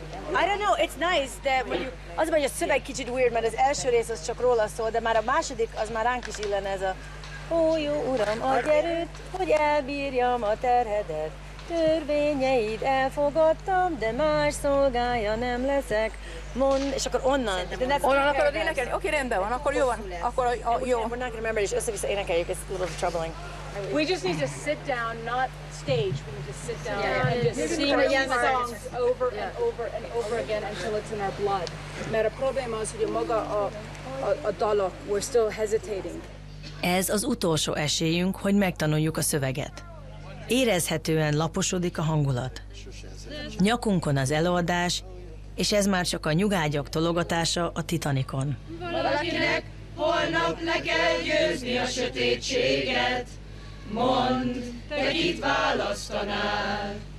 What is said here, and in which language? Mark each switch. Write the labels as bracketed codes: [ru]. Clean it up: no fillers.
[en] I don't know, it's nice that when you... [hu] Az mondja, a szöveg kicsit weird, mert az első rész az csak róla szól, de már a második az már ránk is illene ez a... Ó, jó uram, adj erőt, hogy elbírjam a terhedet. Törvényeid elfogadtam, de más szolgája nem leszek. Mondd, és akkor onnan. Onnan akarod énekelni? Oké, rendben van, akkor jó van. Akkor jó. [en] We're not gonna remember, [hu] és össze-vissza énekeljük, [en] it's a little troubling. We just need to sit down, not stage. We need to sit down and just sing the songs over and over and over again until it's in our blood. [hu] Mert a probléma az, hogy maga a dalok, [en] we're still hesitating. [hu] Ez az utolsó esélyünk, hogy megtanuljuk a szöveget. Érezhetően laposodik a hangulat. Nyakunkon az előadás, és ez már csak a nyugágyak tologatása a Titanicon. Valakinek holnap le kell győzni a sötétséget, mondd, te kit választanál.